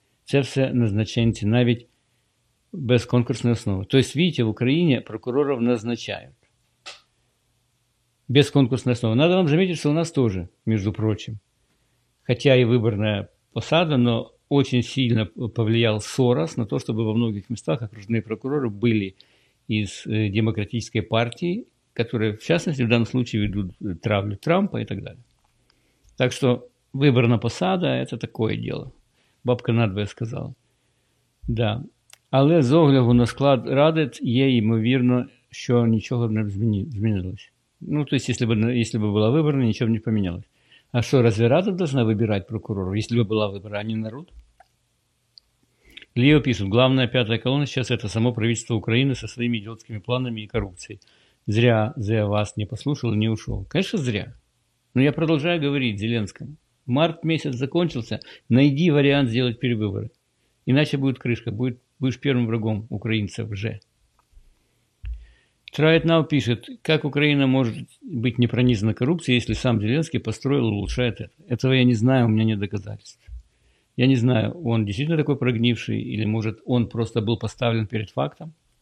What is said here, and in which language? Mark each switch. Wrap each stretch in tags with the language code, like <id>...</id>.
<uk>Це все назначенці, навіть</uk> <ru>без конкурсной основы. То есть, видите, в Украине прокуроров назначают без конкурсной основы. Надо вам заметить, что у нас тоже, между прочим, хотя и выборная посада, но очень сильно повлиял Сорос на то, чтобы во многих местах окружные прокуроры были из демократической партии, которые, в частности, в данном случае ведут травлю Трампа и так далее. Так что выборная посада – это такое дело. Бабка надвое сказала. Да.</ru> <uk>Але з огляду на склад Ради є ймовірно, що нічого не змінилося. Ну, тобто, якщо б була вибрана, нічого б не помінялося. А що, разве Рада повинна вибирати прокурора, якщо б була вибрана, а не народ? Лео пише, головна п'ята колона зараз – це само правительство України зі своїми ідіотськими планами і корупцією. Зря я вас не послухав і не ушов. Звісно, зря. Але я продовжую говорити Зеленському. Март місяць закінчився, знайди варіант зробити перевибори. Іначе буде кришка, буде...</uk> <ru>Будешь первым врагом украинцев же. Try it now пишет, как Украина может быть не пронизана коррупцией, если сам Зеленский построил и улучшает это. Этого я не знаю, у меня нет доказательств. Я не знаю, он действительно такой прогнивший, или может он просто был поставлен перед фактом.</ru>